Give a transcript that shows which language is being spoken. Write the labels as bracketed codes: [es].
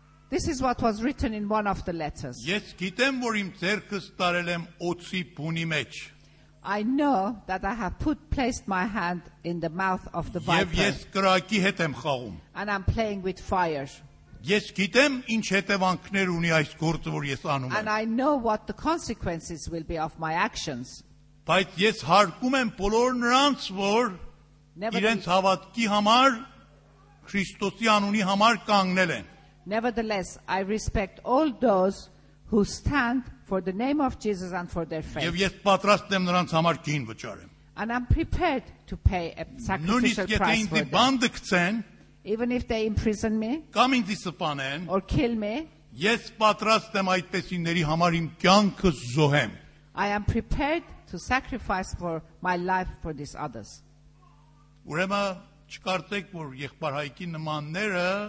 [en] This is what was written in one of the letters. [hy] Ես գիտեմ, որ իմ ձեռքը ստարել եմ օծի բունի մեջ. [en] I know that I have placed my hand in the mouth of the viper. [hy] Եվ ես կրակի հետ եմ խաղում. [en] And I'm playing with fire. [hy] Ես գիտեմ ինչ հետևանքներ ունի այս գործը, որ ես անում եմ. [en] And I know what the consequences will be of my actions. [hy] Բայց ես հարկում եմ բոլոր նրանց, որ իրենց հավատքի համար Քրիստոսի անունի համար կանգնել են. [en] Nevertheless, I respect all those who stand for the name of Jesus and for their faith. [hy] Եվ ես պատրաստ եմ նրանց համար գին վճարեմ. [en] And I'm prepared to pay a sacrificial price for them. [hy] Նույնիսկ եթե ինձ բանդ կցեն, [en] even if they imprison me, [hy] կամ ինձ սպանեն, [en] or kill me, [hy] ես պատրաստ եմ այդպեսիների համար իմ կյանքը զոհեմ. [en] I am prepared to sacrifice for my life for these others. [hy] Ուրեմն չկարծեք, որ եղբայր Հայկի նմանները